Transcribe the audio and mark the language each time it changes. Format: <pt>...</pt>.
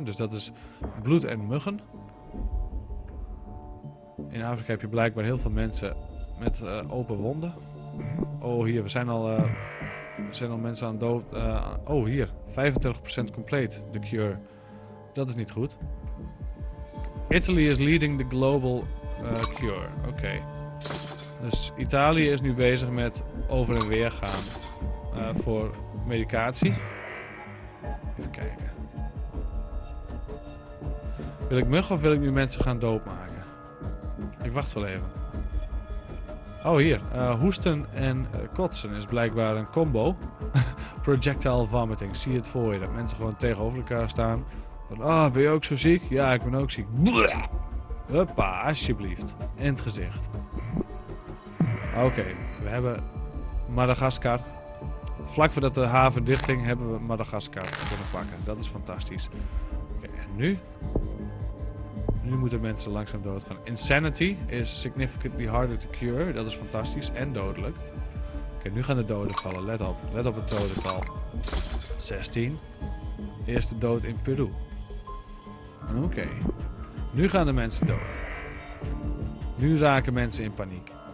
<nl>Dus dat is bloed en muggen. In Afrika heb je blijkbaar heel veel mensen met open wonden. Oh hier, we zijn al mensen aan dood. Oh hier, 35% compleet, de cure. Dat is niet goed.</nl> <en>Italy is leading the global cure.</en> <nl>Oké. Dus Italië is nu bezig met over en weer gaan voor medicatie. Even kijken. Wil ik muggen of wil ik nu mensen gaan doodmaken? Ik wacht wel even. Oh, hier. Hoesten en kotsen is blijkbaar een combo. Projectile vomiting. Zie het voor je. Dat mensen gewoon tegenover elkaar staan. Van, oh, ben je ook zo ziek? Ja, ik ben ook ziek. Blah! Huppa, alsjeblieft. In het gezicht. Oké, we hebben Madagaskar. Vlak voordat de haven dichtging hebben we Madagaskar kunnen pakken. Dat is fantastisch. Oké, en nu? Nu moeten mensen langzaam doodgaan.</nl> <en>Insanity is significantly harder to cure.</en> <nl>Dat is fantastisch en dodelijk. Oké, nu gaan de doden vallen. Let op. Let op het dodental. 16. Eerste dood in Peru. Oké. Nu gaan de mensen dood. Nu raken mensen in paniek.</nl>